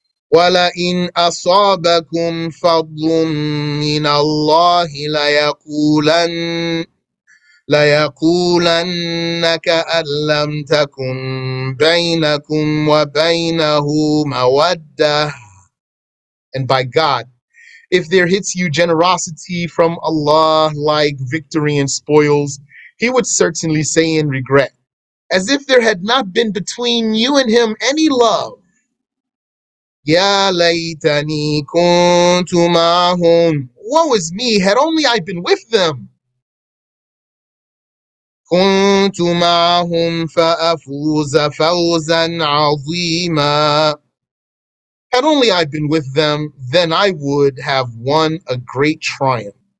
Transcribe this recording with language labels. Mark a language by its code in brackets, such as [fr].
[ar] وَلَئِنْ أَصَابَكُمْ فَضْلٌ مِّنَ اللَّهِ لَيَقُولَنَّ ليقولنك أن لم تكن بينكم وبينه مودة. [en] And by God, if there hits you generosity from Allah like victory and spoils, he would certainly say in regret, as if there had not been between you and him any love. [ar] يا ليتني كنت معهم. [en] Woe is me, had only I been with them. [ar] كنت معهم فأفوز فوزا عظيما. [en] Had only I been with them, then I would have won a great triumph.